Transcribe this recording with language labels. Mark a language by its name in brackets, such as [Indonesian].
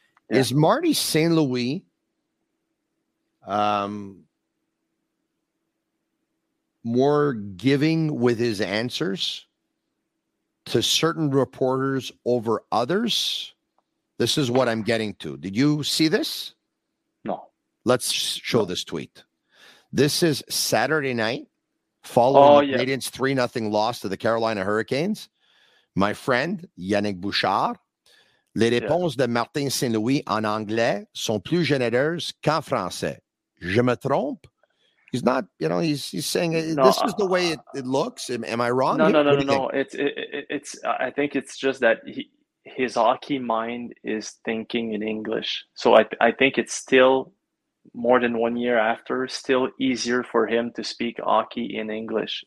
[English] Yeah. Is Marty St. Louis more giving with his answers to certain reporters over others? This is what I'm getting to. Did you see this? Let's show this tweet. This is Saturday night following the Canadiens 3-0 loss to the Carolina Hurricanes. My friend, [French] Yannick Bouchard, les réponses de Martin Saint-Louis en anglais sont plus généreuses qu'en français. Je me trompe? [English] He's not, you know, he's saying this is the way it looks. Am I wrong? No. I think it's just that his hockey mind is thinking in English. So I think it's still more than 1 year after, still easier for him to speak hockey in English.